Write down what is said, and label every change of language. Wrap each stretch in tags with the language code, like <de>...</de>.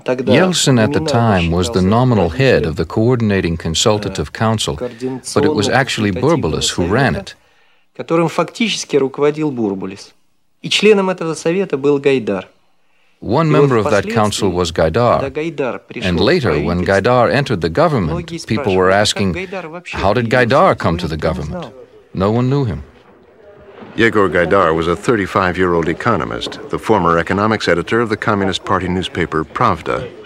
<en>Yeltsin at the time was the nominal head of the Coordinating Consultative Council, but it was actually Burbulis who ran it.</en> <ru>Которым фактически руководил Бурбулис. И членом этого совета был Гайдар.</ru> <en>One member of that council was Gaidar. And later, when Gaidar entered the government, people were asking, how did Gaidar come to the government? No one knew him. Yegor Gaidar was a 35-year-old economist, the former economics editor of the Communist Party newspaper Pravda.</en>